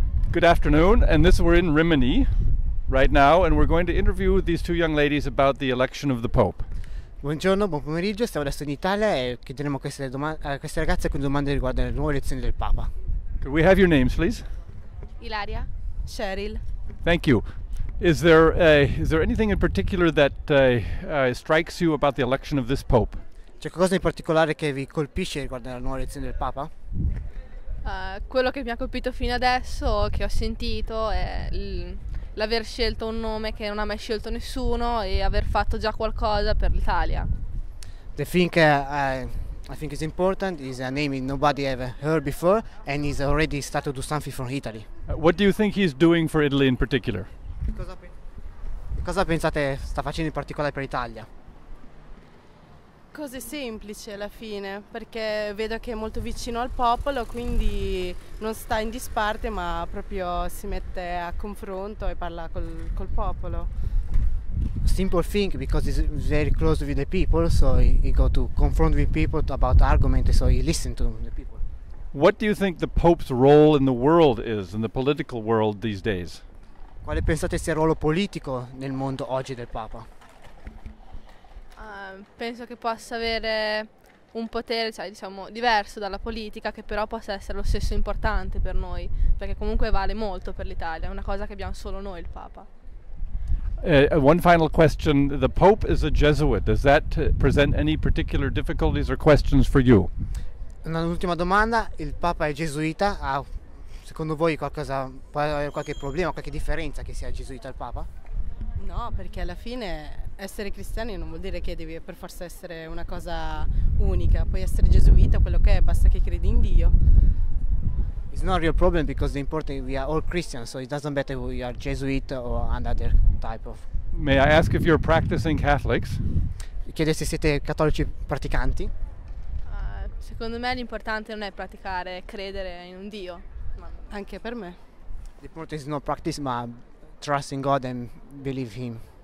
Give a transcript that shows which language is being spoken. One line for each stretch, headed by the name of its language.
English: Good afternoon, and this we're in Rimini right now, and we're going to interview these two young ladies about the election of the Pope.
Italian: Buongiorno, buon pomeriggio, stiamo adesso in Italia e chiederemo a queste ragazze con domande riguardo le nuove elezioni del Papa.
English: Could we have your names, please? Ilaria, Cheryl. Thank you. Is there anything in particular that strikes you about the election of this Pope?
Italian: C'è qualcosa in particolare che vi colpisce riguardo la nuova elezione del Papa? Quello che mi ha colpito fino adesso, che ho sentito, è l'aver scelto un nome che non ha mai scelto nessuno e aver fatto già qualcosa per l'Italia.
English: The thing I think is important is a name nobody ever heard before and he's already started to do something for Italy. What do you think he's doing for Italy in particular?
Italian: Cosa pensate sta facendo in particolare per l'Italia? Cose semplici alla fine, perché vedo che è molto vicino al popolo, quindi non sta in disparte, ma proprio si mette a confronto e parla col popolo.
English: Simple thing, because he's very close with the people, so he go to confront with people about argument, so he listen to the people. What do you think the Pope's role in the world is, in the political world these days?
Italian: Quale pensate sia il ruolo politico nel mondo oggi del Papa? Penso che possa avere un potere, cioè, diciamo, diverso dalla politica, che però possa essere lo stesso importante per noi, perché comunque vale molto per l'Italia, è una cosa che abbiamo solo noi il Papa.
English: One final question, the Pope is a Jesuit, does that present any particular difficulties or questions for you?
Italian: Un'ultima domanda, il Papa è gesuita, ha secondo voi qualche problema, qualche differenza che sia gesuita il Papa? No, perché alla fine essere cristiani non vuol dire che devi per forza essere una cosa unica. Puoi essere gesuita, quello che è, basta che credi in Dio.
English: It's not a real problem because the important thing, we are all Christians, so it doesn't matter if we are Jesuit or another type of. May I ask if you're practicing Catholics?
Italian: Chiede se siete cattolici praticanti. Secondo me l'importante non è praticare, è credere in un Dio. Ma anche per me.
English: The important is not practice, ma trust in God and believe Him.